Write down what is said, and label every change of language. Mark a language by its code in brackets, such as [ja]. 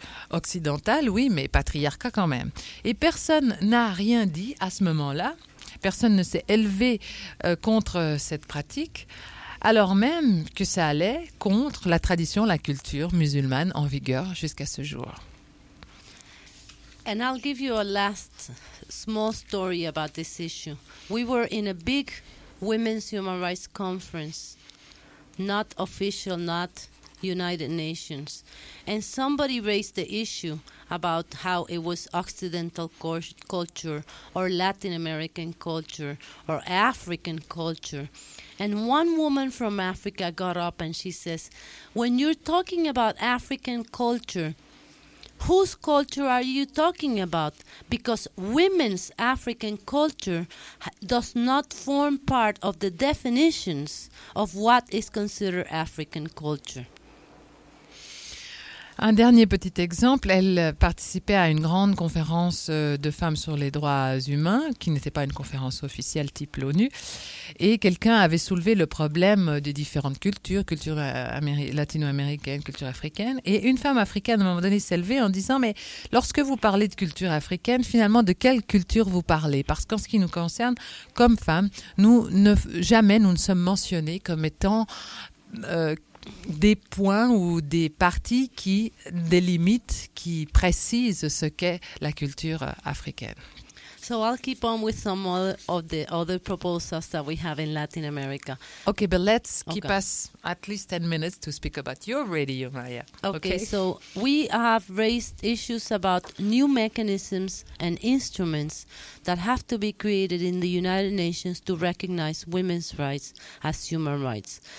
[fr] Occidental, oui, mais patriarcat quand même. Et personne n'a rien dit à ce moment-là. Personne ne s'est élevé contre cette pratique, alors même que ça allait contre la tradition, la culture musulmane en vigueur jusqu'à ce jour. [en] And I'll give you a last small story about this issue. We were in a big women's human rights conference, not official, not United Nations. And somebody raised the issue about how it was Occidental culture or Latin American culture or African culture. And one woman from Africa got up and she says, when you're talking about African culture, whose culture are you talking about? Because women's African culture does not form part of the definitions of what is considered African culture. [fr] Un dernier petit exemple, elle participait à une grande conférence de femmes sur les droits humains, qui n'était pas une conférence officielle type l'ONU, et quelqu'un avait soulevé le problème des différentes cultures, culture latino-américaine, culture africaine, et une femme africaine à un moment donné s'est levée en disant « Mais lorsque vous parlez de culture africaine, finalement de quelle culture vous parlez ? Parce qu'en ce qui nous concerne, comme femmes, nous ne sommes mentionnées comme étant... des points ou des parties qui délimitent, qui précisent ce qu'est la culture africaine. [en] So I'll keep on with some other of the other proposals that we have in Latin America. Okay, but let's keep us at least 10 minutes to speak about your radio, Maria. Okay, so we have raised issues about new mechanisms and instruments that have to be created in the United Nations to recognize women's rights as human rights.